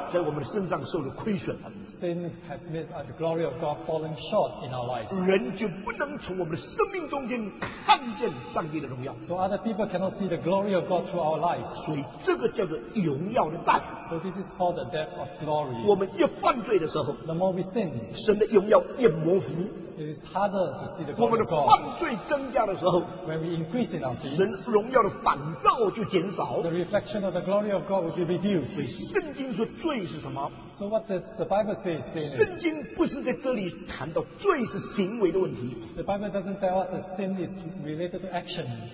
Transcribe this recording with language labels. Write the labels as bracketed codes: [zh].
[zh] 罪就使神的荣耀在我们的身上受了亏损。Sin [en] has made the glory of God falling short in our lives. [zh] 人就不能从我们的生命中间看见上帝的荣耀。 [en] So other people cannot see the glory of God through our lives. [zh] 所以这个叫做荣耀的债。 [en] So this is called the debt of glory. [zh] 我们越犯罪的时候， [en] The more we sin, [zh] 神的荣耀越模糊。 [en] It is harder to see the glory of God. [zh] 我们的犯罪增加的时候， [en] When we increase in our sins, [zh] 神荣耀的反照就减少。 [en] The reflection of the glory of God will be reduced. [zh] 圣经说罪是什么？ [en] So what does the Bible say? [zh] 圣经不是在这里谈到罪是行为的问题。 [en] The Bible doesn't tell us that sin is related to action.